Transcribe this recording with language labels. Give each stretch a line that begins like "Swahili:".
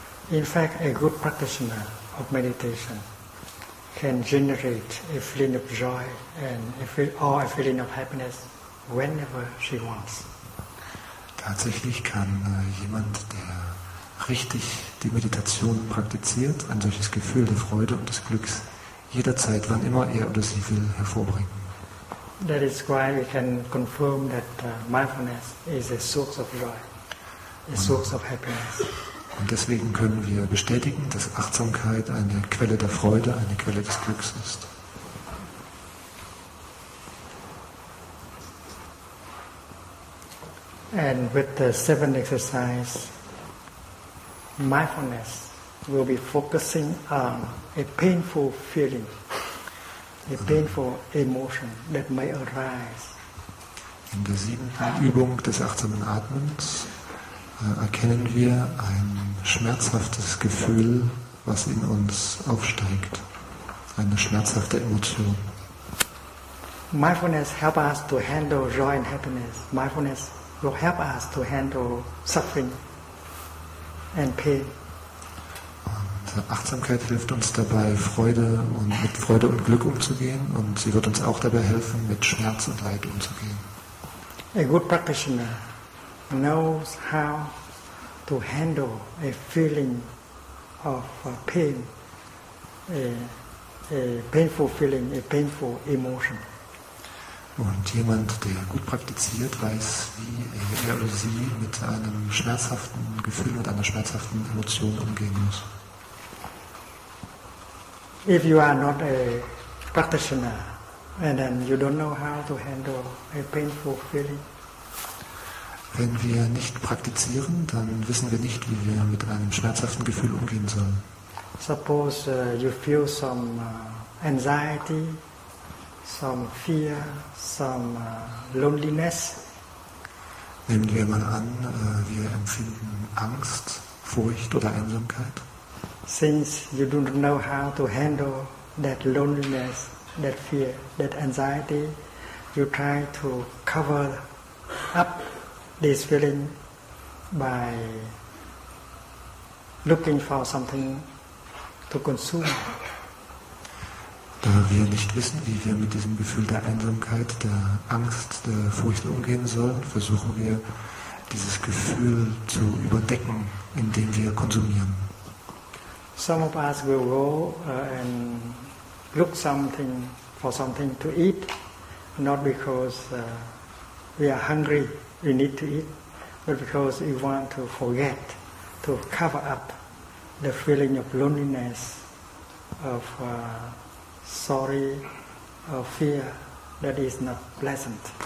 English: In fact, a good practitioner of meditation can generate a feeling of joy and or a feeling of happiness whenever she wants.
German: Tatsächlich kann jemand, der richtig die Meditation praktiziert, ein solches Gefühl der Freude und des Glücks jederzeit, wann immer er oder sie will, hervorbringen.
English: That is why we can confirm that mindfulness is a source of joy, a source of happiness.
German: Und deswegen können wir bestätigen, dass Achtsamkeit eine Quelle der Freude, eine Quelle des Glücks ist.
English: And with the seventh exercise, mindfulness will be focusing on a painful feeling, a painful emotion that may arise.
German: In der siebten Übung des achtsamen Atmens erkennen wir ein schmerzhaftes Gefühl, was in uns aufsteigt, eine schmerzhafte Emotion.
English: Mindfulness help us to handle joy and happiness. Mindfulness will help us to handle suffering and pain.
German: Und Achtsamkeit hilft uns dabei, mit Freude und Glück umzugehen, und sie wird uns auch dabei helfen, mit Schmerz und Leid umzugehen.
English: A good practitioner knows how to handle a feeling of pain, a painful feeling, a painful emotion.
German: Und jemand, der gut praktiziert, weiß, wie er oder sie mit einem schmerzhaften Gefühl und einer schmerzhaften Emotion umgehen muss.
English: If you are not a practitioner and then you don't know how to handle a painful feeling.
German: Wenn wir nicht praktizieren, dann wissen wir nicht, wie wir mit einem schmerzhaften Gefühl umgehen sollen.
English: Suppose you feel some anxiety, some fear, some loneliness.
German: Nehmen wir mal an, wir empfinden Angst, Furcht oder Einsamkeit.
English: Since you don't know how to handle that loneliness, that fear, that anxiety, you try to cover up this feeling by looking for something to consume.
German: Da wir nicht wissen, wie wir mit diesem Gefühl der Einsamkeit, der Angst, der Furcht umgehen sollen, versuchen wir, dieses Gefühl zu überdecken, indem wir konsumieren.
English: Some of us will go and look something for something to eat, not because we are hungry, we need to eat, but because we want to forget, to cover up the feeling of loneliness, of sorry, of fear that is not pleasant.